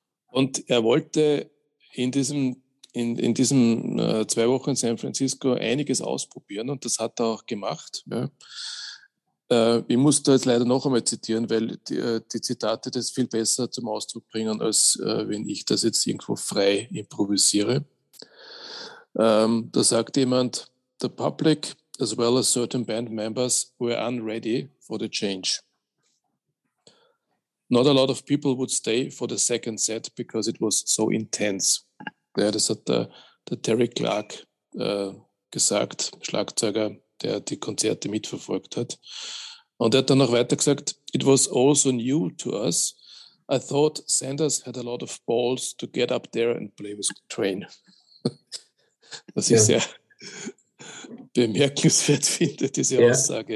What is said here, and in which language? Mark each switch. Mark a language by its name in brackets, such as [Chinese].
[German] Und er wollte in diesen 2 Wochen in San Francisco einiges ausprobieren und das hat er auch gemacht. Ja. Ich muss da jetzt leider noch einmal zitieren, weil die Zitate das viel besser zum Ausdruck bringen, als wenn ich das jetzt irgendwo frei improvisiere. Da sagt jemand, [English] the public as well as certain band members were unready for the change. Not a lot of people would stay for the second set because it was so intense. [German] Ja, das hat der Terry Clark gesagt, Schlagzeuger, der die Konzerte mitverfolgt hat. Und er hat dann noch weiter gesagt, [English] it was also new to us. I thought Sanders had a lot of balls to get up there and play with Train. [German] Was ich sehr bemerkenswert finde, diese Aussage.